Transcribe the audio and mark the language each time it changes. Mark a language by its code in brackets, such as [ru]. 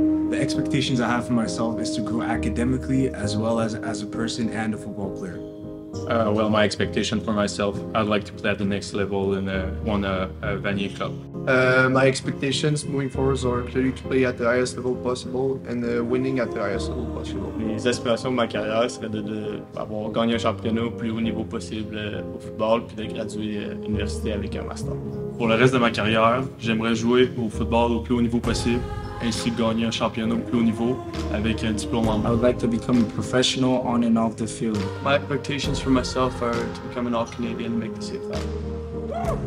[en] The expectations I have for myself is to grow academically as well as a person and a football player. Well, my expectation for myself, I'd like to play at the next level and won a Vanier Cup. My expectations moving forward are clearly to play at the highest level possible and winning at the highest level possible. [fr] Mes aspirations de ma carrière seraient d'avoir gagné un championnat au plus haut niveau possible au football puis de graduer à l'université avec un master. Pour le reste de ma carrière, j'aimerais jouer au football au plus haut niveau possible ainsi que gagner un championnat au plus haut niveau avec un diplôme en main. [en] I would like to become a professional on and off the field. My expectations for myself are to become an All-Canadian and make the CFL.